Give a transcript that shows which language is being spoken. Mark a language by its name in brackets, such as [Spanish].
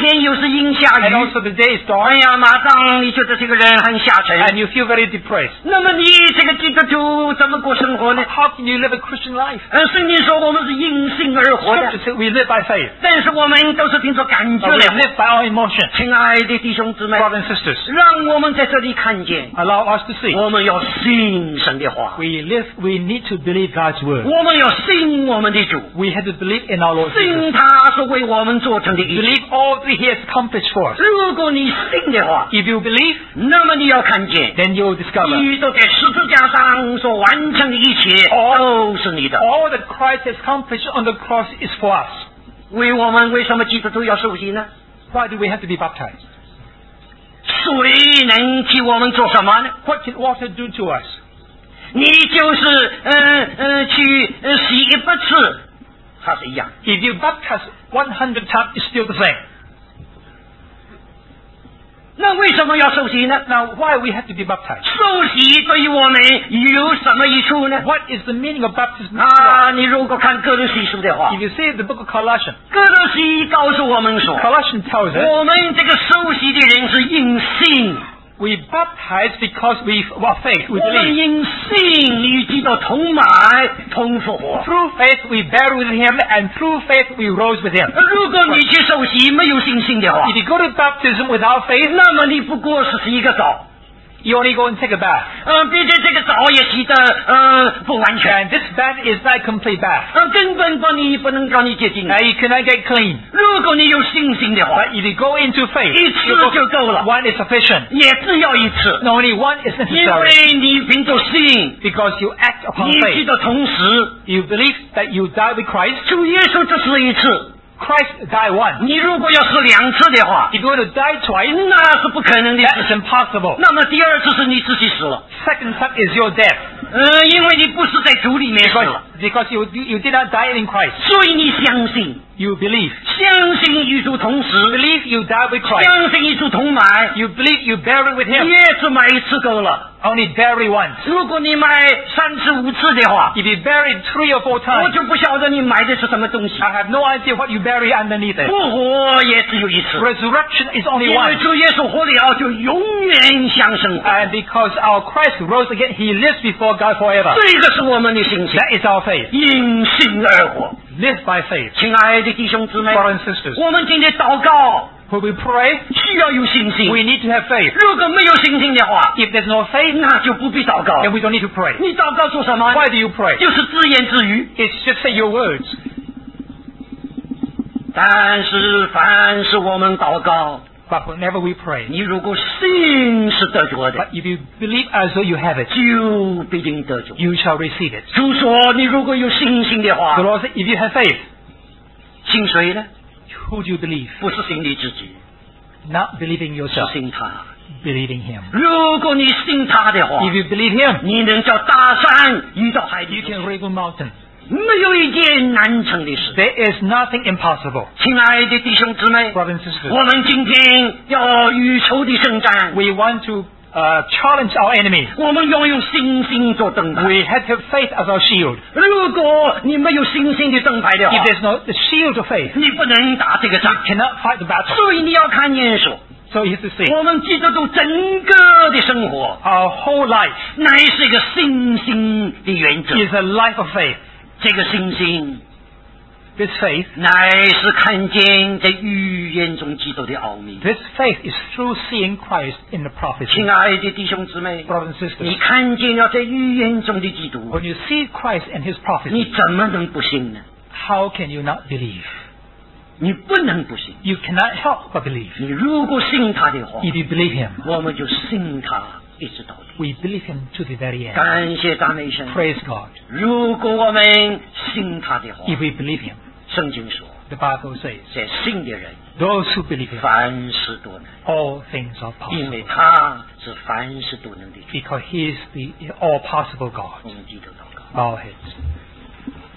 [Chinese] 天又是阴下雨。 [English] And also the day is dark. [Chinese] 哎呀，马上你觉得这个人很下沉。 [English] And you feel very depressed. [Chinese] 那么你这个基督徒怎么过生活呢？ [English] How can you live a Christian life? [Chinese] 圣经说我们是因信而活的。 [English] Scripture says we live by faith. [Chinese] 但是我们都是凭着感觉来。 [English] Live by our emotion. [Chinese] 亲爱的弟兄姊妹。 [English] Brothers and sisters. [Chinese] 让我们在这里看见。 [English] Allow us to see. [Chinese] 我们要信神的话。 [English] We live, we need to believe God's word. [Chinese] 我们要信我们的主。 [English] We have to believe in our Lord. [Chinese] 信他是为我们做成的意。 [English] Believe all that he has accomplished for us. [Chinese] 如果你信的话。 [English] If you believe. [Chinese] 那么你要看见。 [English] Then you will discover. [Chinese] 基督在十字架上所完成的一切都是你的。 [English] All that Christ has accomplished on the cross is for us. [Chinese] 为我们为什么基督徒要受洗呢？ [English] Why do we have to be baptized? [Chinese] 水能替我们做什么呢？ [English] What can water do to us? [Chinese] 你就是去洗一百次还是一样。 [English] If you baptize 100 times it's still the same. [Chinese] 那为什么要受洗呢？ [English] Now why we have to be baptized? [Chinese] 受洗对于我们有什么益处呢？ [English] What is the meaning of baptism? [Chinese] 你如果看哥罗西书的话。 [English] If you see the book of Colossians. [Chinese] 哥罗西告诉我们说。 [English] Colossians tells us. [Chinese] 我们这个受洗的人是因信。 [English] We baptize because we have faith. We believe. [Chinese] 我们因信与基督同埋同复活。 [English] Through faith we buried with him, and through faith we rose with him. [Chinese] 如果你去受洗没有信心的话， [English] if you go to baptism without faith, [Chinese] 那么你不过是洗一个澡。 [English] You only go and take a bath. [Chinese] 并且这个澡也洗得不完全。 [English] And this bath is not a complete bath. [Chinese] 根本把你不能让你洁净。 [English] And you cannot get clean. [Chinese] 如果你有信心的话。 [English] But if you go into faith. [Chinese] 一次就够了。 [English] One is sufficient. [Chinese] 也只要一次。 [English] No, only one is necessary. [Chinese] 因为你凭着信。 [English] Because you act upon faith. [Chinese] 你记得同时。 [English] You believe that you die with Christ. [Chinese] 主耶稣只死一次。 [English] Christ died once. [Chinese] 你如果要死两次的话， [English] if you were to die twice, [Chinese] 那是不可能的。 [English] That is impossible. [Chinese] 那么第二次是你自己死了。 [English] Second time is your death. [Chinese] 因为你不是在主里面死了。 [English] Because you did not die in Christ. [Chinese] 所以你相信。 [English] You believe. [Chinese] 相信与主同时。 [English] Believe you died with Christ. [Chinese] 相信与主同埋。 [English] You believe you buried with him. [Chinese] 也只埋一次够了。 [English] Only bury once. [Chinese] 如果你埋三次五次的话， [English] if you buried three or four times, [Chinese] 我就不晓得你埋的是什么东西。 [English] I have no idea what you buried underneath it. [Chinese] 复活也只有一次。 [English] Resurrection is only one. [Chinese] 因为主耶稣活了就永远相生活。 [English] And because our Christ rose again, he lives before God forever. [Chinese] 这个是我们的信心。 [English] That is our faith. [Chinese] 因信而活。 [English] Live by faith. [Chinese] 亲爱的弟兄姊妹， [English] Brothers and sisters, [Chinese] 我们今天祷告。 [English] Will we pray? [Chinese] 需要有信心。 [English] We need to have faith. [Chinese] 如果没有信心的话， [English] if there's no faith, [Chinese] 那就不必祷告。 [English] Then we don't need to pray. [Chinese] 你祷告做什么？ [English] Why do you pray? [Chinese] 就是自言自语。 [English] It's just say your words. [Chinese] 但是凡是我们祷告。 [English] But whenever we pray, [Chinese] 你如果信是得着的， [English] but if you believe as though you have it, [Chinese] 就必定得着。 [English] You shall receive it. [Chinese] 主说，你如果有信心的话， [English] the Lord said, if you have faith, [Chinese] 信谁呢？ [English] Who do you believe? [Chinese] 不是信你自己， [English] not believing yourself, [Chinese] 是信他。 [English] Believing him. [Chinese] 如果你信他的话， [English] if you believe him, [Chinese] 你能叫大山移到海底， [English] you can raise a mountain. [Chinese] 没有一件难成的事。 [English] There is nothing impossible. [Chinese] 亲爱的弟兄姊妹， [English] Brothers and sisters, [Chinese] 我们今天要与仇敌圣战。 [English] We want to challenge our enemies. [Chinese] 我们要用信心做灯牌。 [English] We have to have faith as our shield. [Chinese] 如果你没有信心的灯牌的话， [English] If there's no shield of faith, [Chinese] 你不能打这个仗。 [English] You cannot fight the battle. [Chinese] 所以你要看耶稣。 [English] So you have to see. [Chinese] 我们基督徒整个的生活， [English] Our whole life, [Chinese] 乃是一个信心的原则。 [English] Is a life of faith. [Chinese] 这个信心 [English] This faith, [Chinese] 乃是看见在预言中基督的奥秘。 [English] This faith is through seeing Christ in the prophecy. [Chinese] 亲爱的弟兄姊妹 [English] ，brothers and sisters, [Chinese] 你看见了在预言中的基督。 [English] When you see Christ and His prophecy, [Chinese] 你怎么能不信呢 [English] ？How can you not believe? [Chinese] 你不能不信。 [English] You cannot help but believe. [Chinese] 你如果信他的话 [English] ，if you believe Him, [Chinese] 我们就信他一直到底。 [English] We believe Him to the very end. [Chinese] 感谢大美神。 [English] Praise God. [Chinese] 如果我们信他的话 [English] ，if we believe Him. [Chinese] 圣经说 [English] The Bible says, [Chinese] 在信的人 [English] those who believe, [Chinese] 凡事都能 [English] all things are possible, [Chinese] 因为他是凡事都能的主 [English] because he is the all possible God. [Chinese] 我们低头祷告 [English] bow heads.